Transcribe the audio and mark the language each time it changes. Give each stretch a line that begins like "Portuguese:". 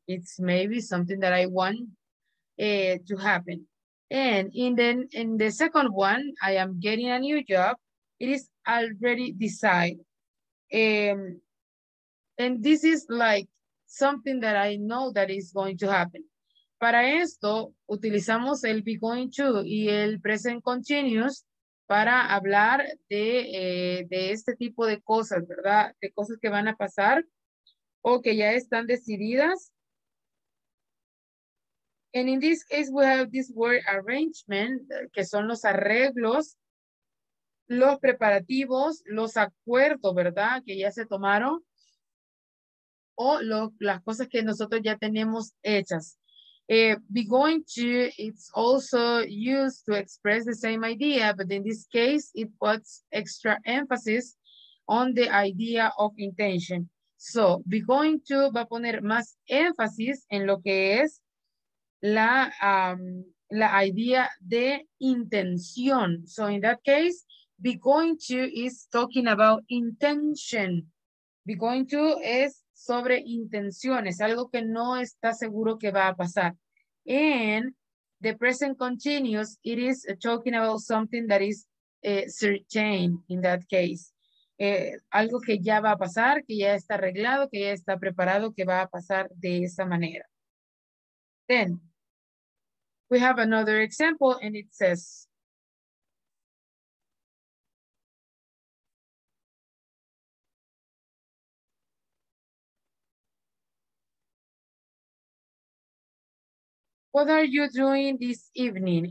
English: It's maybe something that I want to happen. And in the second one, I am getting a new job. it is already decided. And this is like something that I know that is going to happen.
Spanish: Para esto, utilizamos el be going to y el present continuous para hablar de este tipo de cosas, ¿verdad? De cosas que van a pasar o que ya están decididas.
English: And in this case, we have this word arrangement,
Spanish: que son los arreglos, los preparativos, los acuerdos, ¿verdad? Que ya se tomaron. O las cosas que nosotros ya tenemos hechas.
English: Be going to, it's also used to express the same idea, but in this case, it puts extra emphasis on the idea of intention.
Spanish: So, be going to va a poner más énfasis en lo que es la, la idea de intención.
English: So, in that case, be going to is talking about intention.
Spanish: Be going to es sobre intenciones, algo que no está seguro que va a pasar.
English: And the present continuous, it is talking about something that is certain in that case.
Spanish: Algo que ya va a pasar, que ya está arreglado, que ya está preparado, que va a pasar de esa manera.
English: Then, we have another example and it says, what are you doing this evening?